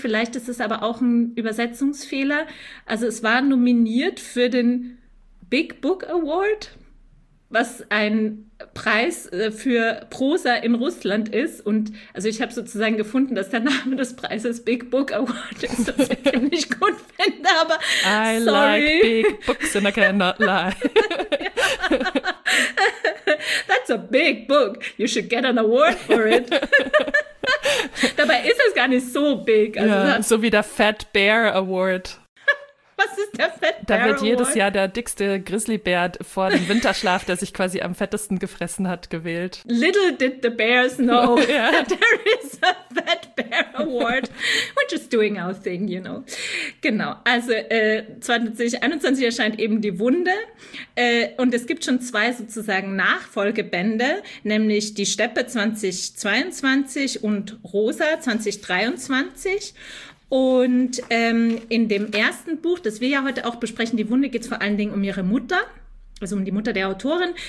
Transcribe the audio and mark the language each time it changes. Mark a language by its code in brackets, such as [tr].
[de] Vielleicht ist es aber auch ein Übersetzungsfehler. Also es war nominiert für den Big Book Award, was ein Preis für Prosa in Russland ist. Und also ich habe sozusagen gefunden, dass der Name des Preises Big Book Award ist, was ich nicht gut finde, aber [en] I sorry. Like big books and I cannot lie. That's a big book. You should get an award for it. [de] Dabei ist es gar nicht so big. Also yeah, so wie der Fat Bear Award. Was ist der Fat Bear Da wird Award? Jedes Jahr der dickste Grizzlybär vor dem Winterschlaf, der sich quasi am fettesten gefressen hat, gewählt. [en] Little did the bears know that there is a Fat Bear Award. We're just doing our thing, you know. [de] Genau, also 2021 erscheint eben Die Wunde. Und es gibt schon zwei sozusagen Nachfolgebände, nämlich Die Steppe 2022 und Rosa 2023. Und in dem ersten Buch, das wir ja heute auch besprechen, Die Wunde, geht es vor allen Dingen um ihre Mutter, also um die Mutter der Autorin.